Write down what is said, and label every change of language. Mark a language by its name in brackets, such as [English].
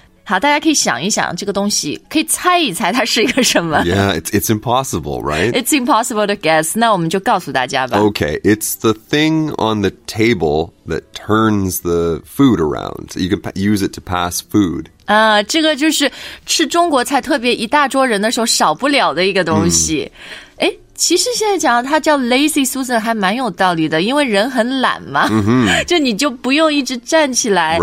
[Chinese] 好，大家可以想一想这个东西，可以猜一猜它是一个什么。 [English] Yeah, it's impossible, right? It's impossible to guess. [Chinese] 那我们就告诉大家吧。 [English] Okay, it's the thing on the table that turns the food around. You can use it to pass food. [Chinese] 这个就是吃中国菜特别一大桌人的时候少不了的一个东西。诶，其实现在讲到它叫 Lazy Susan 还蛮有道理的，因为人很懒嘛。就你就不用一直站起来、